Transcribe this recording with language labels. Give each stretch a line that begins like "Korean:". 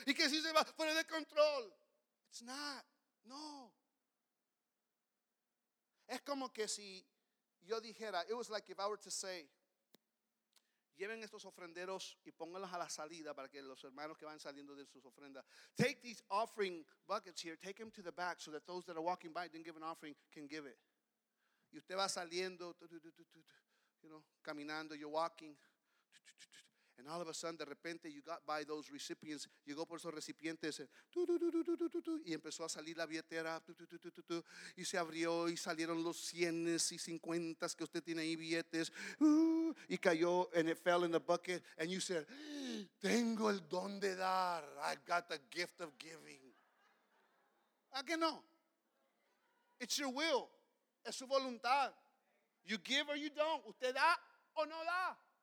Spanish: Y que si se va fuera de control.
English: It's not.
Spanish: No. Es como que si yo dijera,
English: it was like if I were to say,
Spanish: lleven estos ofrenderos y pónganlos a la salida para que los hermanos que van saliendo de sus ofrendas.
English: Take these offering buckets here, take them to the back so that those that are walking by didn't give an offering can give it.
Spanish: Y usted va saliendo,
English: you know,
Spanish: caminando,
English: you're walking. And all of a sudden,
Spanish: de repente,
English: you got by those recipients.
Spanish: Llegó por esos recipientes. Y empezó a salir la billetera. Y se abrió y salieron los cienes y cincuentas que usted tiene ahí billetes. Y cayó,
English: and it fell in the bucket. And you said,
Spanish: tengo el don de dar.
English: I've got the gift of giving.
Spanish: ¿A qué no?
English: It's your will.
Spanish: Es su voluntad.
English: You give or you don't.
Spanish: Usted da o no da.